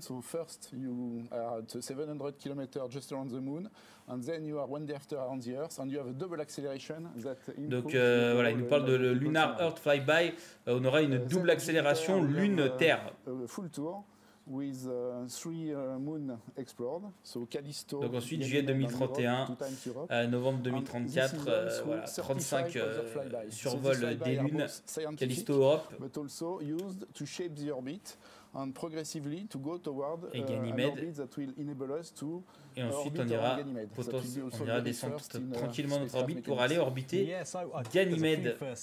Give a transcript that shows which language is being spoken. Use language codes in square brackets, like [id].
[en] So first you are at 700 kilometers just around the moon, and then you are one day after around the Earth, and you have a double acceleration that improves. [fr] Donc voilà, il nous parle de le lunar Earth flyby. On aura une double accélération lune-terre. [en] Full tour with three moon explored. So Callisto. [fr] Donc ensuite juillet 2031, novembre 2034, voilà, 35 survols des lunes Callisto Europe. [en] And progressively to go toward Ganymede, that will enable us to [fr] et ensuite on ira, on ira descendre tranquillement notre orbite pour aller orbiter Ganymède.